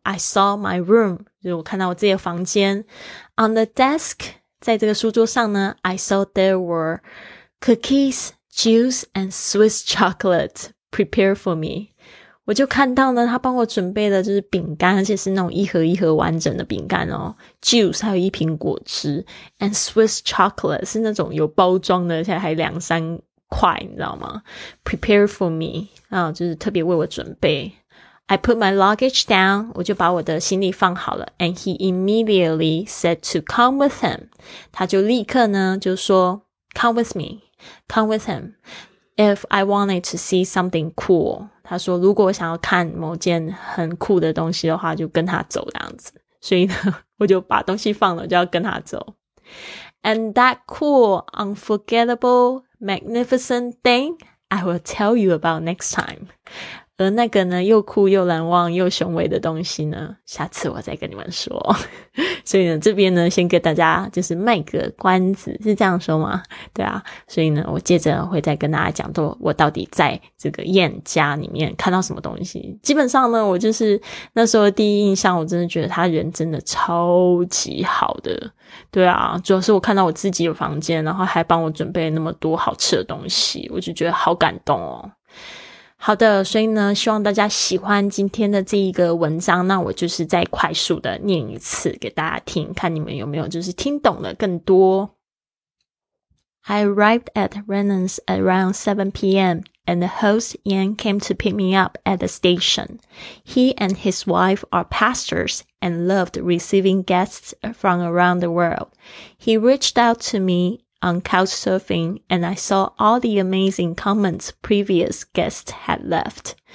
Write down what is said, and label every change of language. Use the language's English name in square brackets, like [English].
[English] I saw my room， [Chinese] 就是我看到我自己的房间。 [English] On the desk， [Chinese] 在这个书桌上呢， [English] I saw there were cookies, juice and Swiss chocolateprepare for me， [Chinese] 我就看到呢他帮我准备的就是饼干，而且是那种一盒一盒完整的饼干哦。 juice 还有一瓶果汁， [English] and Swiss chocolate [Chinese] 是那种有包装的，而且还两三块，你知道吗？ [English] prepare for me， [Chinese] 就是特别为我准备。 [English] I put my luggage down， [Chinese] 我就把我的行李放好了。 [English] and he immediately said to come with him， [Chinese] 他就立刻呢就说 [English] come with me, come with him. If I wanted to see something cool, [Chinese] 他说如果我想要看某件很酷的东西的话，就跟他走这样子。所以呢，我就把东西放了，就要跟他走。 [English] And that cool, unforgettable, magnificent thing, I will tell you about next time. [Chinese] 而那个呢，又酷又难忘又雄伟的东西呢，下次我再跟你们说。所以呢，这边呢，先跟大家就是卖个关子，是这样说吗？对啊，所以呢，我接着会再跟大家讲到我到底在这个燕家里面看到什么东西。基本上呢，我就是那时候第一印象，我真的觉得他人真的超级好的。对啊，主要是我看到我自己的房间，然后还帮我准备那么多好吃的东西，我就觉得好感动哦。好的，所以呢，希望大家喜欢今天的这一个文章，那我就是再快速的念一次给大家听，看你们有没有就是听懂了更多。 [English] I arrived at Renan's around 7 p.m. and the host Ian came to pick me up at the station. He and his wife are pastors and loved receiving guests from around the world. He reached out to meOn couch surfing, and I saw all the amazing comments previous guests had left.